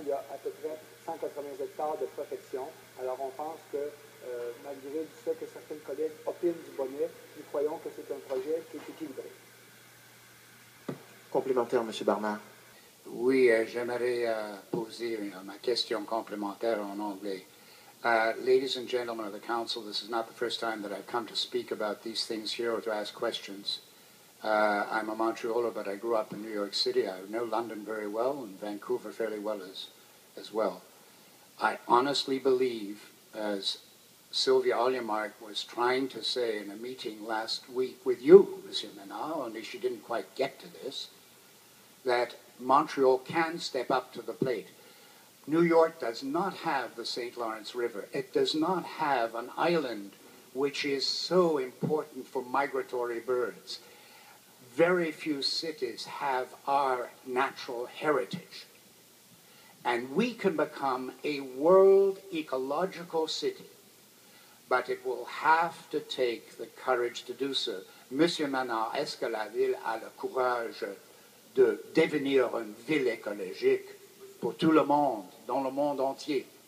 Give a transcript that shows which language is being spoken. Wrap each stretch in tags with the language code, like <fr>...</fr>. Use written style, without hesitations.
<fr>Il y a à peu près 180 hectares de protection. Alors, on pense que, malgré le fait que certains collègues opinent du bonnet, nous croyons que c'est un projet qui est équilibré. Complémentaire, M. Barmard. Oui, j'aimerais poser ma question complémentaire en anglais.</fr> <en>Ladies and gentlemen of the council, this is not the first time that I've come to speak about these things here or to ask questions. I'm a Montrealer, but I grew up in New York City. I know London very well and Vancouver fairly well as well. I honestly believe, as Sylvia Olyemark was trying to say in a meeting last week with you, Monsieur Ménard, only she didn't quite get to this, that Montreal can step up to the plate. New York does not have the St. Lawrence River. It does not have an island which is so important for migratory birds. Very few cities have our natural heritage. And we can become a world ecological city, but it will have to take the courage to do so.</en> <fr>Monsieur Ménard, est-ce que la ville a le courage de devenir une ville écologique pour tout le monde, dans le monde entier?</fr>